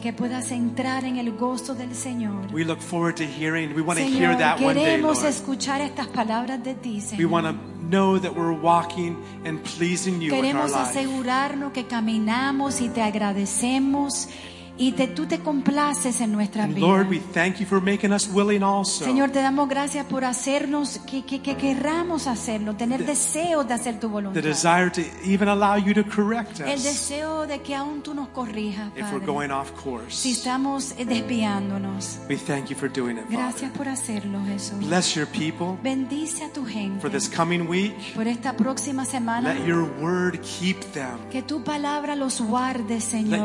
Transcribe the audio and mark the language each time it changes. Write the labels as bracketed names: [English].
[Spanish] que puedas entrar en el gozo del Señor. [English] We look forward to hearing, we want [Spanish] Señor, [English] to hear that one day, Lord. [Spanish] Queremos escuchar estas palabras de ti, Señor. [English] We want to know that we're walking and pleasing you. [Spanish] Queremos [English] in our [Spanish] asegurarnos [English] life, [Spanish] que caminamos y te agradecemos y tú te complaces en nuestra [English] and [Spanish] vida. [English] Lord, we thank you for making us willing also. [Spanish] Señor, te damos gracias por hacernos que querramos hacerlo, tener deseo de hacer tu voluntad. [English] The desire to even allow you to correct us. [Spanish] El deseo de que aún tú nos corrijas, Padre. [English] If we're going off course. [Spanish] Si estamos desviándonos. [English] We thank you for doing it, Father. [Spanish] Gracias por hacerlo, Jesús. [English] Bless your people. [Spanish] Bendice a tu gente. [English] For this coming week. [Spanish] Por esta próxima semana. [English] Let your word keep them. [Spanish] Que tu palabra los guarde, Señor.